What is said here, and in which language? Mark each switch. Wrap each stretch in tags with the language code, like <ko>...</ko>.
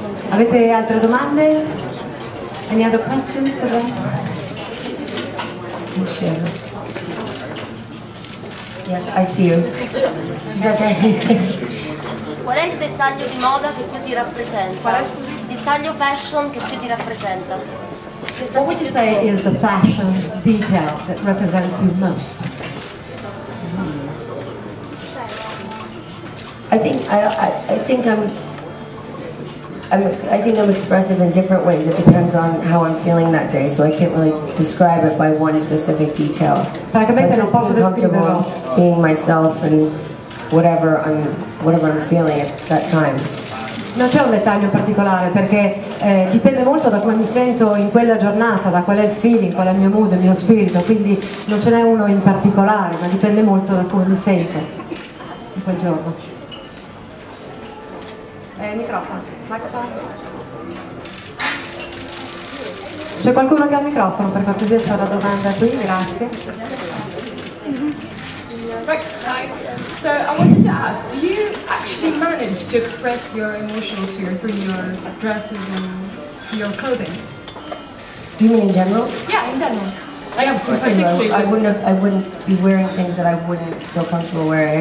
<it>Avete altre domande?</it> <en>Any other questions for them?</en> <it>Inciso.</it> <en>Yes, I see you. She's okay.</en> <it>Qual è il dettaglio di moda che più ti rappresenta? Qual è il dettaglio fashion che più ti rappresenta?</it> <en>What would you say is the fashion detail that represents you most? I think I'm expressive in different ways. It depends on how I'm feeling that day, so I can't really describe it by one specific detail.</en> <it>Praticamente non posso descriverlo.</it> <en>Being myself and whatever I'm feeling at that time.</en> <it>Non c'è un dettaglio particolare perché dipende molto da come mi sento in quella giornata, da qual è il feeling, qual è il mio mood, il mio spirito. Quindi non ce n'è uno in particolare, ma dipende molto da come mi sento in quel giorno. Microfono. C'è qualcuno che ha il microfono, per cortesia c'è una domanda qui, grazie.</it> <en>So I wanted to ask, do you actually manage to express your emotions here through your dresses and your clothing? Do you mean in general? Yeah, in general. I wouldn't be wearing things that I wouldn't feel comfortable wearing.</en>